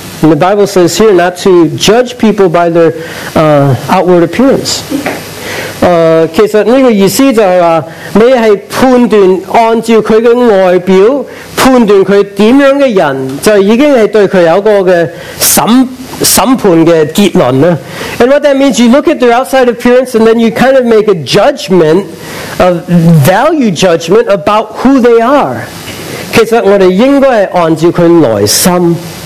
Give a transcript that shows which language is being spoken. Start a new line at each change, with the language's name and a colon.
English: And the Bible says here not to judge people by their outward appearance.
Chinese: 其实这个意思就是说,你是判断按照他的外表, 判断他怎样的人, 就已经是对他有个审判的结论.
English: And what that means, you look at their outside appearance and then you kind of make a judgment, a value judgment about who they are.
Chinese: 其实我们应该是按照他内心.